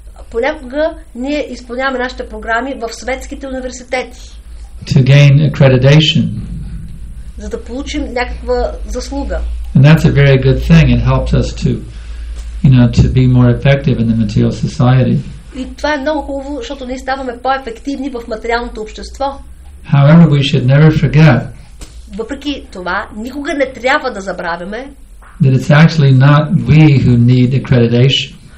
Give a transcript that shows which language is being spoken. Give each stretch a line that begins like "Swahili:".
Bulgarian: Понякога ние изпълняваме нашите програми в светските университети.
English: To gain accreditation.
Bulgarian: За да получим някаква заслуга.
English: And that's a very good thing. It helps us to, you know, to be more effective in the material society.
Bulgarian: И това е много хубаво, защото ние ставаме по-ефективни в материалното общество.
English: However, we should never forget.
Bulgarian: Въпреки това, никога не трябва да забравяме.
English: That it's actually not we who need accreditation.